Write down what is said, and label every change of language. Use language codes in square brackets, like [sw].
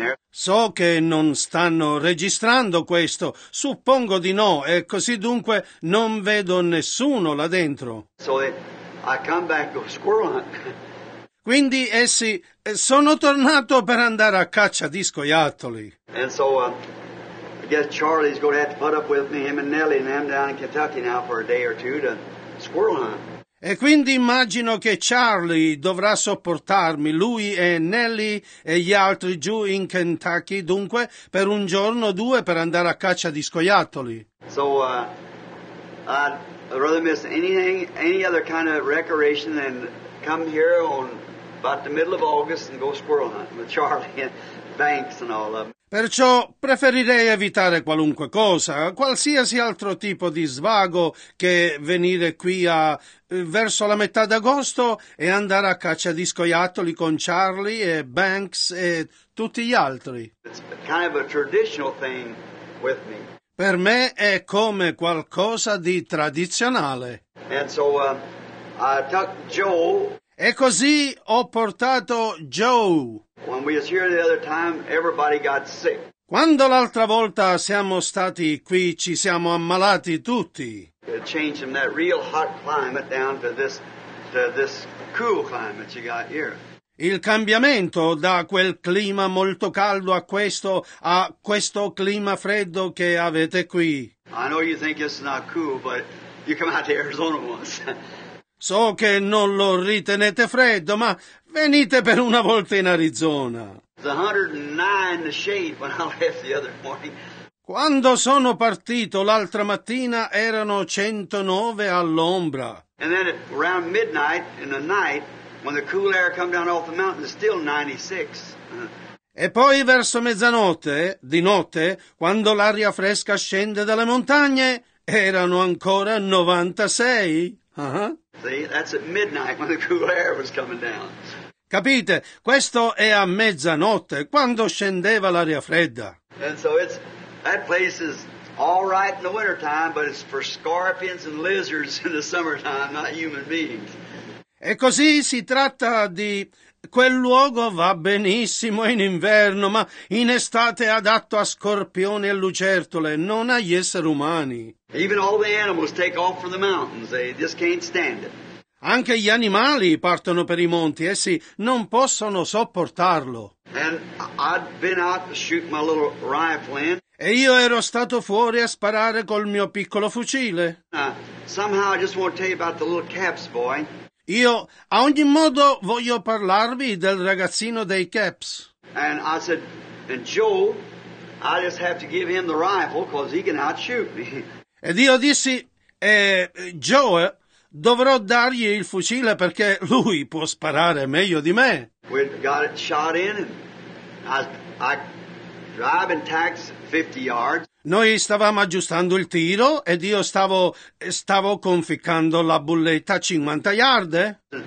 [it] So che non stanno registrando questo, suppongo di no, e così dunque non vedo nessuno là dentro. [en] So I come back to squirrel hunt. [it] Quindi essi sono tornato per andare a caccia di scoiattoli. [en] And so, I guess Charlie's going to have to put up with me, him and Nellie and them down in Kentucky now for a day or two to squirrel hunt. [it] E quindi immagino che Charlie dovrà sopportarmi, lui e Nellie e gli altri giù in Kentucky, dunque, per un giorno o due per andare a caccia di scoiattoli. [en] So, I'd rather miss anything, any other kind of recreation than come here on about the middle of August and go squirrel hunt with Charlie and Banks and all of them. [it] Perciò preferirei evitare qualunque cosa, qualsiasi altro tipo di svago che venire qui a verso la metà d'agosto e andare a caccia di scoiattoli con Charlie e Banks e tutti gli altri. [en] It's kind of a traditional thing with me. [it] Per me è come qualcosa di tradizionale. [en] And so, I took Joe. [it] E così ho portato Joe. [en] When we was here the other time, everybody got sick. [it] Quando l'altra volta siamo stati qui, ci siamo ammalati tutti. [en] It changed from that real hot climate down to this cool climate you got here. [it] Il cambiamento da quel clima molto caldo a questo clima freddo che avete qui. [en] I know you think it's not cool, but you come out to Arizona once. [it] So che non lo ritenete freddo, ma venite per una volta in Arizona. [en] It's 109 the shade when I left the other morning. [it] Quando sono partito l'altra mattina erano 109 all'ombra. [en] And then at around midnight in the night, when the cool air come down off the mountain, it's still 96. [it] E poi verso mezzanotte, di notte, quando l'aria fresca scende dalle montagne, erano ancora 96. [en] See, that's at midnight when the cool air was coming down. [it] Capite? Questo è a mezzanotte, quando scendeva l'aria fredda. [en] And so it's, that place is all right in the wintertime, but it's for scorpions and lizards in the summertime, not human beings. [it] E così si tratta di quel luogo va benissimo in inverno, ma in estate è adatto a scorpioni e lucertole, non agli esseri umani. [en] Even all the animals take off from the mountains, they just can't stand it. [it] Anche gli animali partono per i monti, essi non possono sopportarlo. [en] And I'd been out to shoot my little rifle in. [it] E io ero stato fuori a sparare col mio piccolo fucile. [en] Somehow I just want to tell you about the little Caps boy. [it] Io a ogni modo voglio parlarvi del ragazzino dei Caps. [en] And I said, and Joe, I just have to give him the rifle because he can outshoot me. [it] Ed io dissi, Joe, dovrò dargli il fucile perché lui può sparare meglio di me. [en] We got it shot in and I drive and tax 50 yards. [it] Noi stavamo aggiustando il tiro ed io stavo conficcando la bulletta a 50 yard.